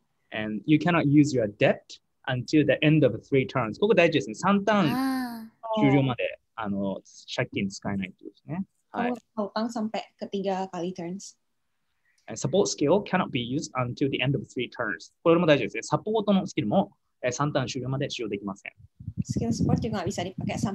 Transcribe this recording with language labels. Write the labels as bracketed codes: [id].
[en] And you cannot use your debt until the end of 3 turns. [ja] ここ大事ですね。 3ターン終了まで、借金使えないってことですね。はい。3ターン ketiga kali turns. [en] And support skill cannot be used until the end of 3 turns. [ja] これも大事ですね。サポートのスキルも3ターン終了まで使用できません。スキルサポートが必要です。